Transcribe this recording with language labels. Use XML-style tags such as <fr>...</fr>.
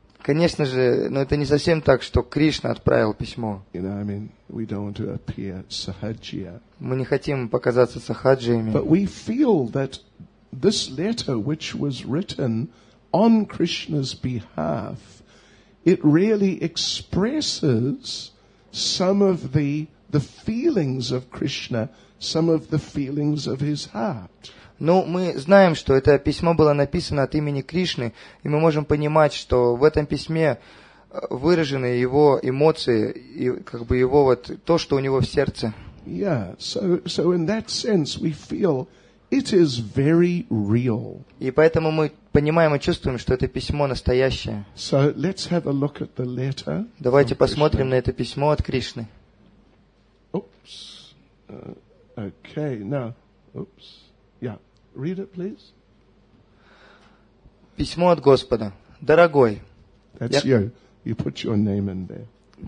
<ru>Конечно же, но это не совсем так, что Кришна отправил письмо.</ru> <en>You know, I mean, we don't want to appear sahajya.</en> <ru>Мы не хотим показаться сахаджиями.</ru> <en>But we feel that this letter, which was written on Krishna's behalf, it really expresses some of the feelings of Krishna, some of the feelings of his heart.</en> <ru>Но мы знаем, что это письмо было написано от имени Кришны, и мы можем понимать, что в этом письме выражены его эмоции, и как бы его вот то, что у него в сердце.</ru> <en>Yeah, so in that sense we feel it is very real.</en> <ru>И поэтому мы понимаем и чувствуем, что это письмо настоящее.</ru> <en>So let's have a look at the letter.</en> <ru>Давайте посмотрим на это письмо от Кришны.</ru> <en>Oops. Okay, now. Oops. Yeah. Read it, please.</en> <ru>Письмо от Господа. Дорогой.</ru> <en>That's you. You put your name in there.</en>